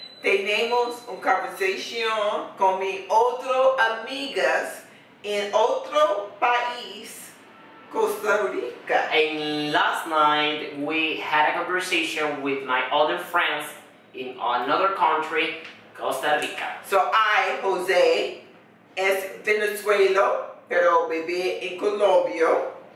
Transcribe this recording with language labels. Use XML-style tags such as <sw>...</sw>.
<es>Tenemos una conversación con mi otro amigas en otro país, Costa Rica.</es> <en>And last night we had a conversation with my other friends in another country, Costa Rica. So I,</en> <es>Jose, es Venezuela, pero vive en Colombia.</es>